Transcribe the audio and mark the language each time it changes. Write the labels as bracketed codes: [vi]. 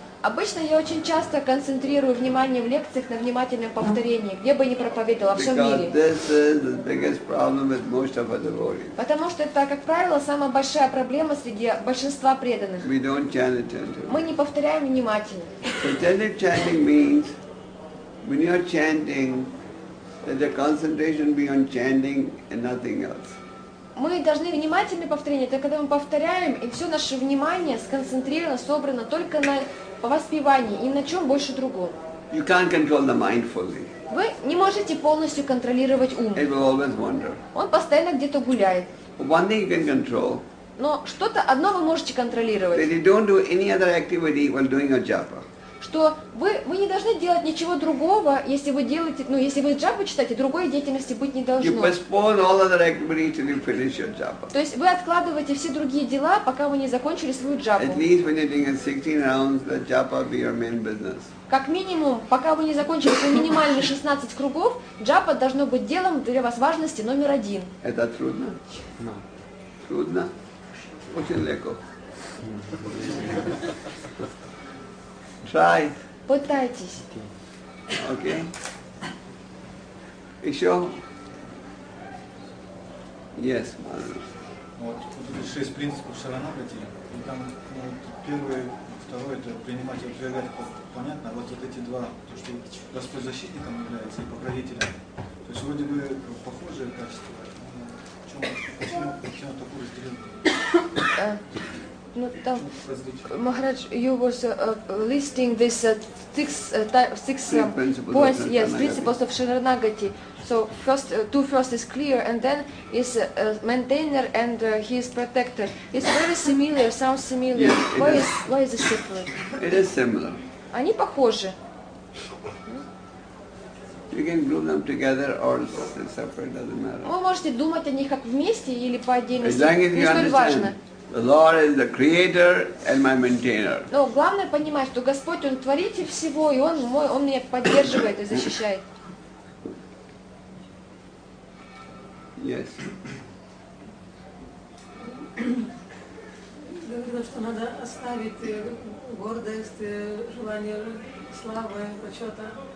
[ru] Обычно я очень часто концентрирую внимание в лекциях на внимательном повторении, где бы ни проповедовал, во всем мире. Потому что это, как правило, самая большая проблема среди большинства преданных. [en] We don't chant attentively. [ru] Мы не повторяем внимательно. [en] Attentive chanting means when you're chanting, that the concentration be on chanting and nothing else. [ru] Мы должны внимательно повторять, это когда мы повторяем, и все наше внимание сконцентрировано, собрано только на воспевании и на чем больше другом. [en] You can't control the mind fully. [ru] Вы не можете полностью контролировать ум. [en] It will always wander. [ru] Он постоянно где-то гуляет. [en] One thing you can control. [ru] Но что-то одно вы можете контролировать. [en] That you don't do any other activity while doing a japa. [ru] Что вы не должны делать ничего другого, если вы делаете, ну, если вы джапу читаете, другой деятельности быть не должно. [en] You postpone all other activities till you finish your japa. [ru] То есть вы откладываете все другие дела, пока вы не закончили свою джапу. [en] At least when you're doing 16 rounds, the japa be your main business. [ru] Как минимум, пока вы не закончили свои минимальные 16 кругов, джапа должно быть делом для вас важности номер один. Это трудно? Трудно? Очень легко. [en] Try. [ru] Пытайтесь. Okay. Еще? Yes, Мадхава. Вот шесть принципов шаранагати. И там первое, второе, это принимать и отвергать, понятно. Вот эти два, то, что Господь защитником является и покровителем. То есть вроде бы похожие качества. Почему это такое разделение? Ну там, [en] Махарадж, you was listing this six points, yes, principles of Sharanagati. So first, two first is clear, and then is maintainer and he is protector. It's very similar, sounds similar. Yes, why is it separate? It is similar. [ru] Они похожи. [en] You can glue them together or separate, doesn't matter. [ru] Вы можете думать о них как вместе или по отдельности. [en] As long as you understand. The Lord is the creator and my maintainer. [ru] Но главное понимать, что Господь, Он творитель всего, и Он мой, Он меня поддерживает и защищает. [en] Yes. [ru] Говорила, что надо оставить гордость, желание славы, почета.